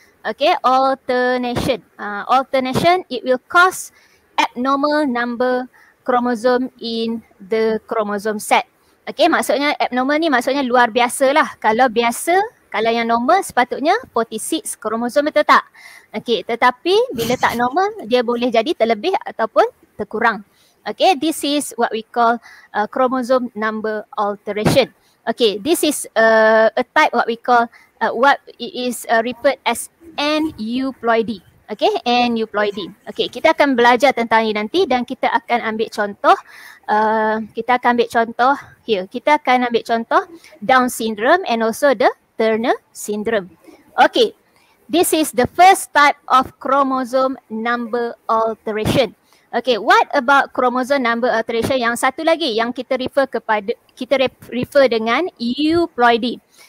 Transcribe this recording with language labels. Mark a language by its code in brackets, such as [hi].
[en] Okay, alternation. Alternation, it will cause abnormal number chromosome in the chromosome set. [ms] Okay, maksudnya abnormal ni maksudnya luar biasa lah. Kalau biasa, kalau yang normal sepatutnya 46 kromosom betul tak? Okay, tetapi bila tak normal, dia boleh jadi terlebih ataupun terkurang. [en] Okay, this is what we call chromosome number alteration. Okay, this is a type what we call, what it is referred as aneuploidy. Okay, aneuploidy. [ms] Okay, kita akan belajar tentang ini nanti dan kita akan ambil contoh. Kita akan ambil contoh here. Kita akan ambil contoh Down syndrome [en] and also the [ms] Turner syndrome. [en] Okay, this is the first type of chromosome number alteration. Okay, what about chromosome number alteration? [ms] Yang satu lagi yang kita refer kepada, kita refer dengan euploidy.